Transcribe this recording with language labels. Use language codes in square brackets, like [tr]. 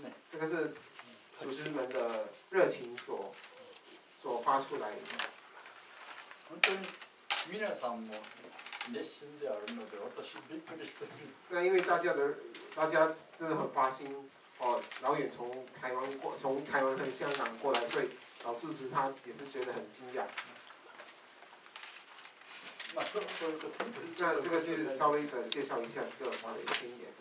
[zh] 这个是祖师们的热情所发出来的。 [ja] 本当に皆さんも熱心であるので、私びっくりしてる。 [zh] 那因为大家真的很发心哦，老远从台湾和香港过来，所以老住持他也是觉得很惊讶。那这个是稍微的介绍一下这个法莲经典。